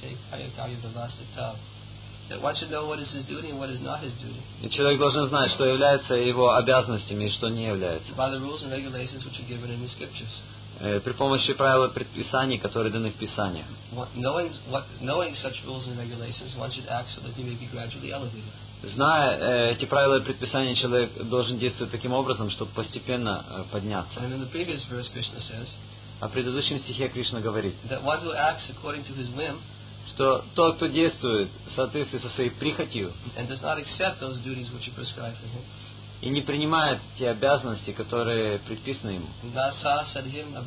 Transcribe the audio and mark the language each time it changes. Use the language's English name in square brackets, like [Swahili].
[English] That one should know what is his duty and what is not his duty. [Russian] И человек должен знать, что является его обязанностями и что не является. [English] By the rules and regulations which are given in the scriptures. [Russian] При помощи правил и предписаний, которые даны в Писаниях. [English] Knowing such rules and regulations, one should act so that he may be gradually elevated. [Russian] Зная эти правила и предписания, человек должен действовать таким образом, чтобы постепенно подняться. [English] And in the previous verse, Krishna says. [Russian] О предыдущем стихе Кришна говорит. [English] That one who acts according to his whim. [Russian] Что тот, кто действует в соответствии со своей прихотью. [English] And does not accept those duties which are prescribed for him. [Russian] И не принимает те обязанности, которые предписаны ему.